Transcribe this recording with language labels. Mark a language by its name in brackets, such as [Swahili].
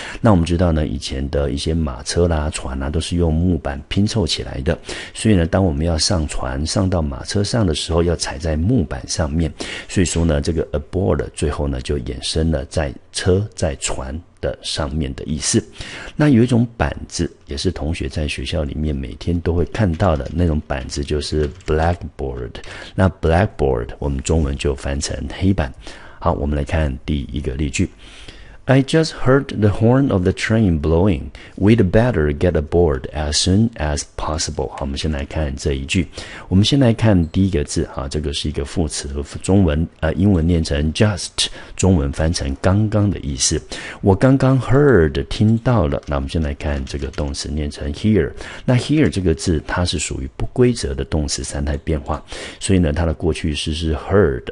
[Chinese] 那我们知道呢，以前的一些马车啦船啦都是用木板拼凑起来的，所以呢当我们要上船上到马车上的时候要踩在木板上面，所以说呢这个 aboard 最后呢就衍生了在车在船的上面的意思。那有一种板子也是同学在学校里面每天都会看到的，那种板子就是 blackboard。那 blackboard 我们中文就翻成黑板。好，我们来看第一个例句。 [English] I just heard the horn of the train blowing. We'd better get aboard as soon as possible. [Chinese] 好，我们先来看这一句。我们先来看第一个字，这个是一个副词，中文英文念成 just，中文翻成刚刚的意思。我刚刚 heard 听到了，那我们先来看这个动词念成 hear。那 hear 这个字它是属于不规则的动词三态变化，所以呢它的过去式是 heard。